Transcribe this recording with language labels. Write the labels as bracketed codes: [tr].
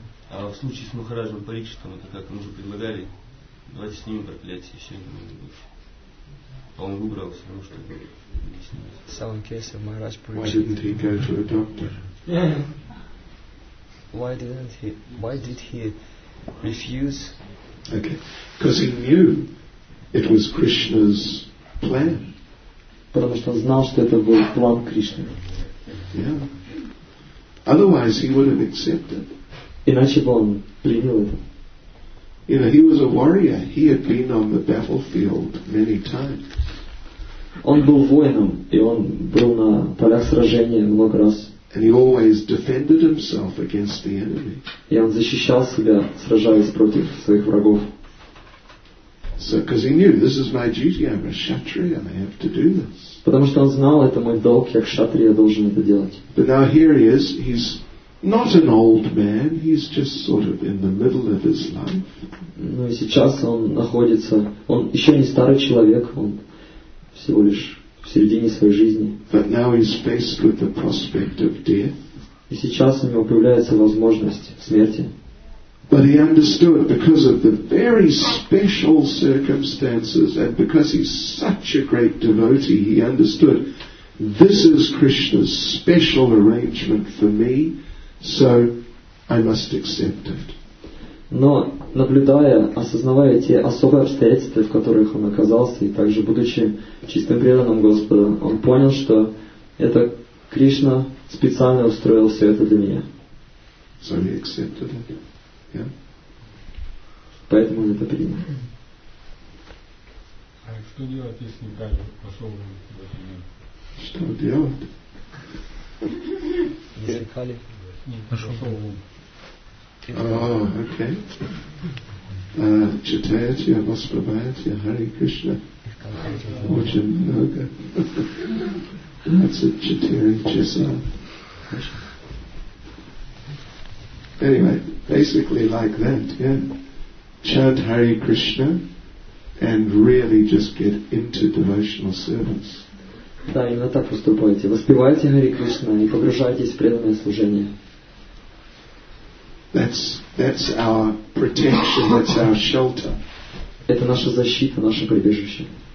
[ru] А в случае с Махараджем Парикшитом, это как, мы уже предлагали, давайте снимем проклятие, еще не будет. А он выбрал все равно, чтобы не снимать. [en] So in case of Maharaj Parikshita. Why didn't he go to a doctor? Why did he refuse? Okay, because he knew it was Krishna's plan. [ru] Потому что он знал, что это был план Кришны. Yeah. [en] Otherwise he would have accepted. [ru] Иначе бы он принял это. [en] You know, he was a warrior. He had been on the battlefield many times. [ru] Он был воином, и он был на полях сражения много раз. [en] And he always defended himself against the enemy. [ru] И он защищал себя, сражаясь против своих врагов. [en] So, because he knew, this is my duty, I'm a kshatriya, I have to do this. [ru] Потому что он знал, это мой долг, я кшатрия, я должен это делать. [en] But now here he is, he's not an old man, he's just sort of in the middle of his life. [ru] Ну и сейчас он находится, он еще не старый человек, он всего лишь в середине своей жизни. [en] But now he's faced with the prospect of death. [ru] И сейчас у него появляется возможность смерти. [en] But he understood because of the very special circumstances and because he's such a great devotee, he understood this is Krishna's special arrangement for me, so I must accept it. [ru] Но наблюдая, осознавая те особые обстоятельства, в которых он оказался, и также будучи чистым преданным Господа, он понял, что это Кришна специально устроил все это для меня. [en] So he accepted it. Yeah. [ru] Поэтому он это принял. Что делать, если Кали пошел в этот мир? Что делать? Если Кали пошел в этот мир. Окей. Читаете, воспеваете Хари Кришна очень много. 24 часа. [en] Anyway, basically like that, yeah. Chant Hare Krishna and really just get into devotional service. [ru] Да, именно так поступайте. Воспевайте Хари Кришна и погружайтесь в преданное служение. [en] That's our protection, that's our shelter. [ru] Это наша защита, наше прибежище.